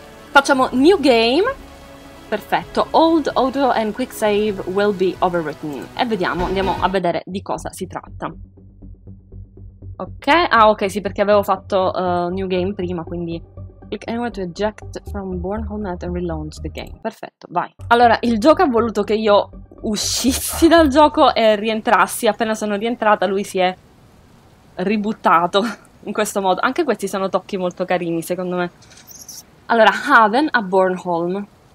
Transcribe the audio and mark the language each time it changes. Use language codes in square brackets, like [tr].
[it] Facciamo New Game, perfetto, [en] Old Auto and Quick Save Will Be Overwritten, [it] e vediamo, andiamo a vedere di cosa si tratta. Ok, ah ok, sì, perché avevo fatto New Game prima, quindi... [en] Click anywhere to eject from Bornholmnet and relaunch the game. [it] Perfetto, vai. Allora, il gioco ha voluto che io uscissi dal gioco e rientrassi. Appena sono rientrata, lui si è ributtato in questo modo. Anche questi sono tocchi molto carini, secondo me. Allora, Haven a Bornholm.